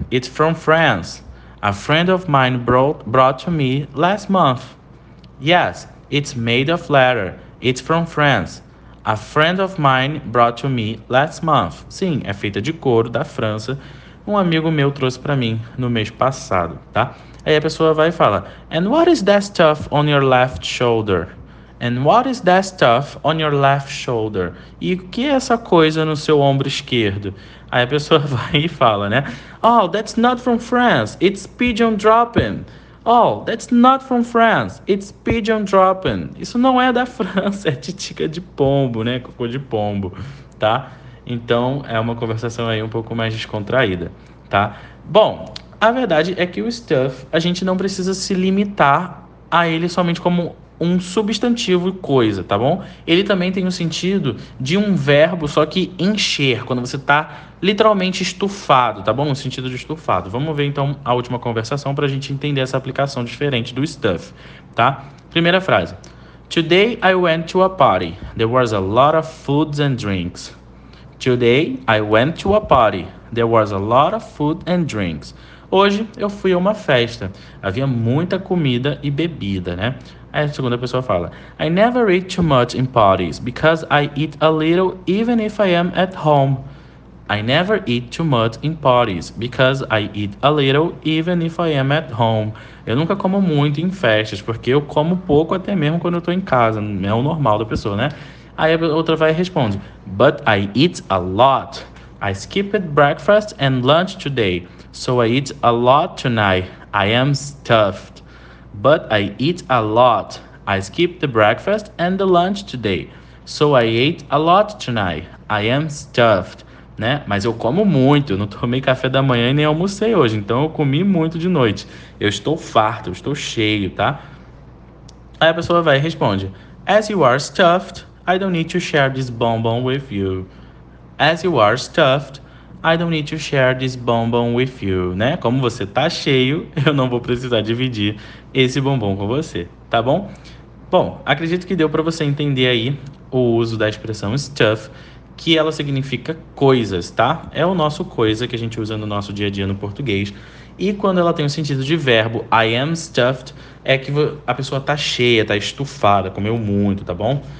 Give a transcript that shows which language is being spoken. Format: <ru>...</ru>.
<en>It's from France. A friend of mine brought to me last month. Yes, it's made of leather. It's from France. A friend of mine brought to me last month.</en> <pt>Sim, é feita de couro da França. Um amigo meu trouxe para mim no mês passado, tá? Aí a pessoa vai e fala,</pt> <en>and what is that stuff on your left shoulder? And what is that stuff on your left shoulder?</en> <pt>E o que é essa coisa no seu ombro esquerdo? Aí a pessoa vai e fala, né?</pt> <en>Oh, that's not from France. It's pigeon dropping. Oh, that's not from France. It's pigeon dropping.</en> <pt>Isso não é da França. É titica de pombo, né? Cocô de pombo, tá? Então, é uma conversação aí um pouco mais descontraída, tá? Bom, a verdade é que o stuff, a gente não precisa se limitar a ele somente como um substantivo e coisa, tá bom? Ele também tem o sentido de um verbo, só que encher, quando você tá literalmente estufado, tá bom? No sentido de estufado. Vamos ver, então, a última conversação pra gente entender essa aplicação diferente do stuff, tá? Primeira frase.</pt> <en>Today I went to a party. There was a lot of foods and drinks. Today I went to a party. There was a lot of food and drinks.</en> <pt>Hoje eu fui a uma festa. Havia muita comida e bebida, né? Aí a segunda pessoa fala,</pt> <en>I never eat too much in parties because I eat a little even if I am at home. I never eat too much in parties because I eat a little even if I am at home.</en> <pt>Eu nunca como muito em festas porque eu como pouco até mesmo quando eu tô em casa. É o normal da pessoa, né? Aí a outra vai e responde,</pt> <en>but I eat a lot. I skipped breakfast and lunch today, so I eat a lot tonight. I am stuffed. But I eat a lot. I skipped the breakfast and the lunch today. So I ate a lot tonight. I am stuffed.</en> <pt>Né? Mas eu como muito, eu não tomei café da manhã e nem almocei hoje, então eu comi muito de noite. Eu estou farto, eu estou cheio, tá? Aí a pessoa vai e responde:</pt> <en>As you are stuffed, I don't need to share this bonbon with you. As you are stuffed, I don't need to share this bonbon with you.</en> <pt>Né? Como você está cheio, eu não vou precisar dividir esse bonbon com você, tá bom? Bom, acredito que deu para você entender aí o uso da expressão stuff, que ela significa coisas, tá? É o nosso coisa que a gente usa no nosso dia a dia no português. E quando ela tem o sentido de verbo,</pt> <en>I am stuffed,</en> <pt>é que a pessoa tá cheia, tá estufada, comeu muito, tá bom?</pt>